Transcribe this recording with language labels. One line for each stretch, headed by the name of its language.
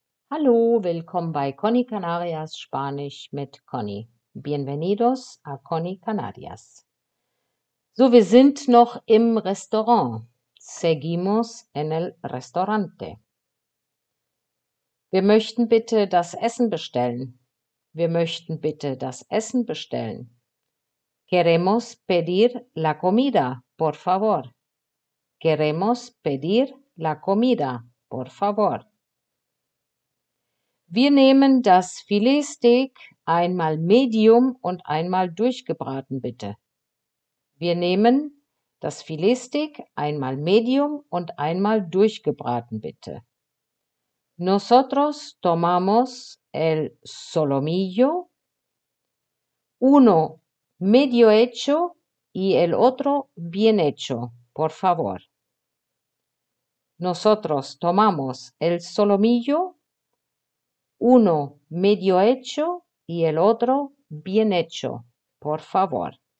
German: Hallo, willkommen bei Conny Canarias Spanisch mit Conny.
Spanish: Bienvenidos a Conny Canarias.
German: So, wir sind noch im Restaurant.
Spanish: Seguimos en el restaurante.
German: Wir möchten bitte das Essen bestellen. Wir möchten bitte das Essen bestellen.
Spanish: Queremos pedir la comida, por favor. Queremos pedir la comida, por favor.
German: Wir nehmen das Filetsteak einmal medium und einmal durchgebraten, bitte. Wir nehmen das Filetsteak einmal medium und einmal durchgebraten, bitte.
Spanish: Nosotros tomamos el solomillo, uno medio hecho y el otro bien hecho, por favor. Nosotros tomamos el solomillo. Uno medio hecho y el otro bien hecho, por favor.